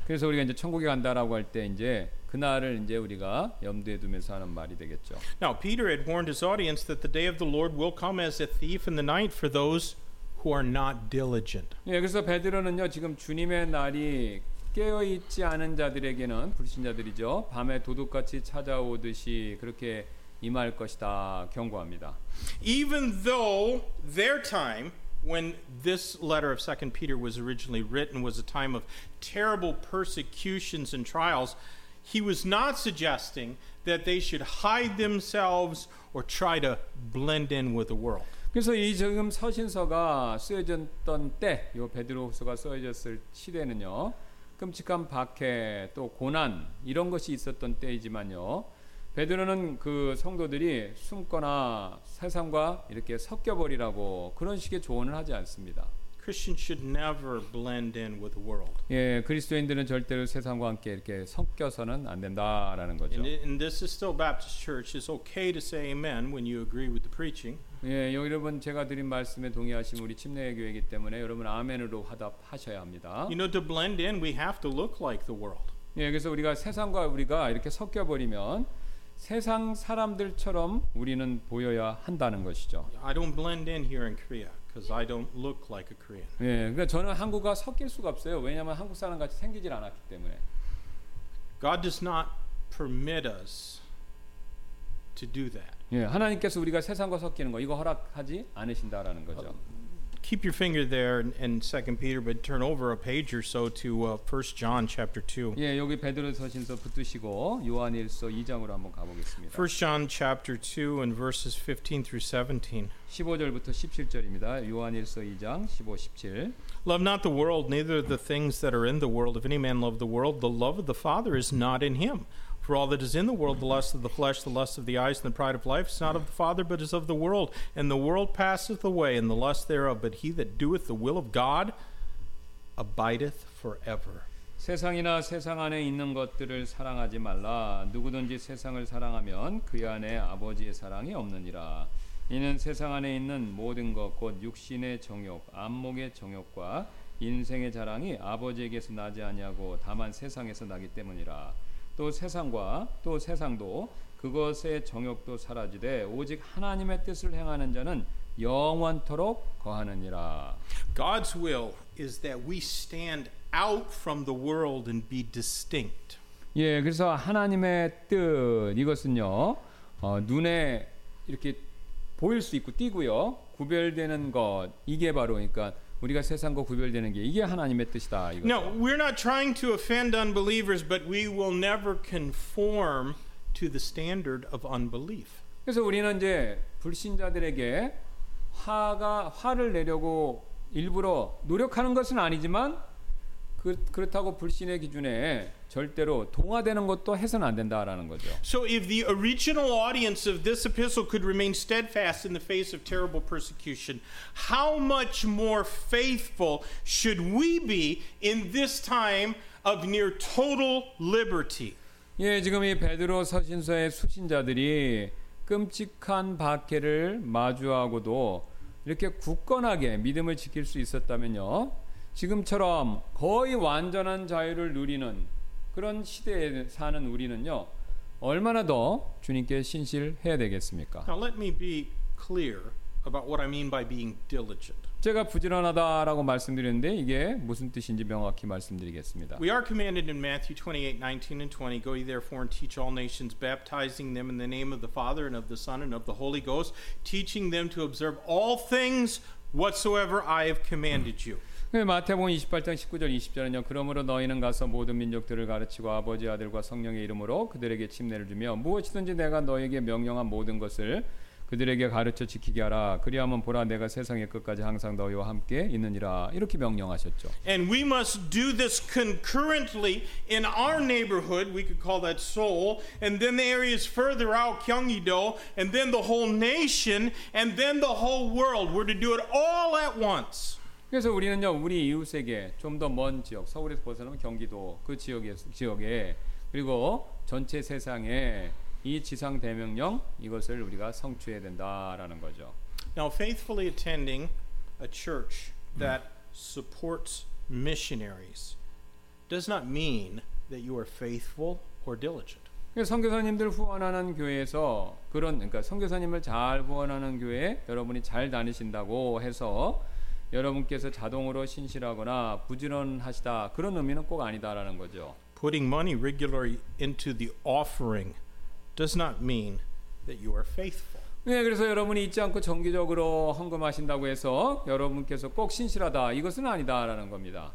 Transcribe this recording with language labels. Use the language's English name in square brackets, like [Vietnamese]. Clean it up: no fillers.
[Korean] 그래서 우리가 이제 천국에 간다라고 할 때 이제 그날을 이제 우리가 염두에 두면서 하는 말이 되겠죠. [English] Now Peter had warned his audience that the day of the Lord will come as a thief in the night for those who are not diligent. [Korean] 예, 그래서 베드로는요 지금 주님의 날이 깨어 있지 않은 자들에게는 불신자들이죠. 밤에 도둑같이 찾아오듯이 그렇게 임할 것이다 경고합니다. [English] Even though their time when this letter of 2 Peter was originally written was a time of terrible persecutions and trials, he was not suggesting that they should hide themselves or try to blend in with the world. [Korean] 그래서 이 지금 서신서가 쓰여졌던 때, 이 베드로후서가 쓰여졌을 시대는요. 끔찍한 박해 또 고난 이런 것이 있었던 때이지만요. 베드로는 그 성도들이 숨거나 세상과 이렇게 섞여 버리라고 그런 식의 조언을 하지 않습니다. [English] Christians should never blend in with the world. [Korean] 예, 그리스도인들은 절대로 세상과 함께 이렇게 섞여서는 안 된다라는 거죠. [English] And this is still Baptist church. It's okay to say amen when you agree with the preaching. [Korean] 예, 여러분 제가 드린 말씀에 동의하시면 우리 침례 교회이기 때문에 여러분 아멘으로 화답하셔야 합니다. [English] You know, to blend in, we have to look like the world. [Korean] 예, 그래서 우리가 세상과 우리가 이렇게 섞여 버리면 세상 사람들처럼 우리는 보여야 한다는 것이죠. [English] I don't blend in here in Korea because I don't look like a Korean. [Korean] 예, 그러니까 저는 한국과 섞일 수가 없어요. 왜냐하면 한국 사람 같이 생기질 않았기 때문에. [English] God does not permit us to do that. [Korean] 예, 하나님께서 우리가 세상과 섞이는 거 이거 허락하지 않으신다라는 거죠. [English] Keep your finger there in 2 Peter, but turn over a page or so to 1 John chapter 2. [Korean] 예, 여기 베드로 서신서 붙드시고 요한일서 2장으로 한번 가보겠습니다. [English] 1 John chapter 2 and verses 15 through 17. [Korean] 15절부터 17절입니다. 요한일서 2장 15, 17. [English] Love not the world, neither the things that are in the world. If any man love the world, the love of the Father is not in him. For all that is in the world, the lust of the flesh, the lust of the eyes, and the pride of life, is not of the Father, but is of the world. And the world passeth away, and the lust thereof. But he that doeth the will of God abideth forever. [Korean] 세상이나 세상 안에 있는 것들을 사랑하지 말라. 누구든지 세상을 사랑하면 그 안에 아버지의 사랑이 없느니라. 이는 세상 안에 있는 모든 것, 곧 육신의 정욕, 안목의 정욕과 인생의 자랑이 아버지에게서 나지 아니하고 다만 세상에서 나기 때문이라. 또 세상과 또 세상도 그것의 정욕도 사라지되 오직 하나님의 뜻을 행하는 자는 영원토록 거하느니라. [English] God's will is that we stand out from the world and be distinct. [Korean] 예, 그래서 하나님의 뜻 이것은요 눈에 이렇게 보일 수 있고 띄고요 구별되는 것 이게 바로 그러니까. 우리가 세상과 구별되는 게 이게 하나님의 뜻이다. 이거죠. [English] No, we're not trying to offend unbelievers, but we will never conform to the standard of unbelief. [Korean] 그래서 우리는 이제 불신자들에게 화를 내려고 일부러 노력하는 것은 아니지만 그렇다고 불신의 기준에 절대로 동화되는 것도 해서는 안 된다라는 거죠. [English] So if the original audience of this epistle could remain steadfast in the face of terrible persecution, how much more faithful should we be in this time of near total liberty? [Korean] 예, 지금 이 베드로 서신서의 수신자들이 끔찍한 박해를 마주하고도 이렇게 굳건하게 믿음을 지킬 수 있었다면요. 지금처럼 거의 완전한 자유를 누리는 그런 시대에 사는 우리는요 얼마나 더 주님께 신실해야 되겠습니까? [English] Now let me be clear about what I mean by being diligent. [Korean] 제가 부지런하다라고 말씀드렸는데 이게 무슨 뜻인지 명확히 말씀드리겠습니다. [English] We are commanded in Matthew 28:19-20, Go ye therefore and teach all nations, baptizing them in the name of the Father and of the Son and of the Holy Ghost, teaching them to observe all things whatsoever I have commanded you. [Korean] 네, 마태복음 28장 19절 20절은요 그러므로 너희는 가서 모든 민족들을 가르치고 아버지 아들과 성령의 이름으로 그들에게 침례를 주며 무엇이든지 내가 너에게 명령한 모든 것을 그들에게 가르쳐 지키게 하라 그리하면 보라 내가 세상의 끝까지 항상 너희와 함께 있느니라 이렇게 명령하셨죠. [English] And we must do this concurrently in our neighborhood, we could call that Seoul, and then the areas further out, Gyeonggi-do, and then the whole nation, and then the whole world. We're to do it all at once. [Korean] 그래서 우리는요 우리 이웃에게 좀 더 먼 지역 서울에서 벗어나면 경기도 그 지역에 그리고 전체 세상에 이 지상 대명령 이것을 우리가 성취해야 된다라는 거죠. [English] Now faithfully attending a church that supports missionaries does not mean that you are faithful or diligent. [Korean] 선교사님들 후원하는 교회에서 그런 그러니까 선교사님을 잘 후원하는 교회 여러분이 잘 다니신다고 해서 여러분께서 자동으로 신실하거나 부지런하시다 그런 의미는 꼭 아니다라는 거죠. [English] Putting money regularly into the offering does not mean that you are faithful. [Korean] 네, 그래서 여러분이 잊지 않고 정기적으로 헌금하신다고 해서 여러분께서 꼭 신실하다 이것은 아니다라는 겁니다.